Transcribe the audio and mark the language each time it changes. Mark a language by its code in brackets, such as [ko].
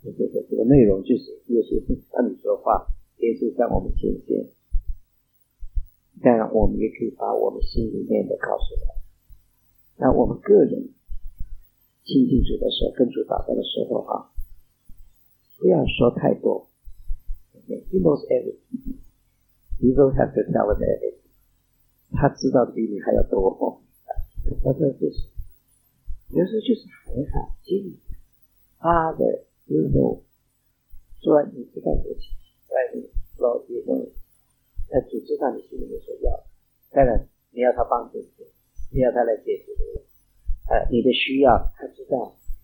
[zh] 就是说，这个内容就是耶稣向你说话，耶稣向我们显现。当然，我们也可以把我们心里面的告诉他。那我们个人亲近主的时候，跟主祷告的时候啊，不要说太多。 [en] He knows everything. You don't have to tell him everything. [zh] 他知道的比你还要多哦。他说就是。有时候就是喊一喊，心里 [en] Father you know， [zh] 主啊你知道我心里面 [en] Lord you know， [zh] 那主知道你心里面所要的，当然你要他帮助你，你要他来解决你，你的需要他知道。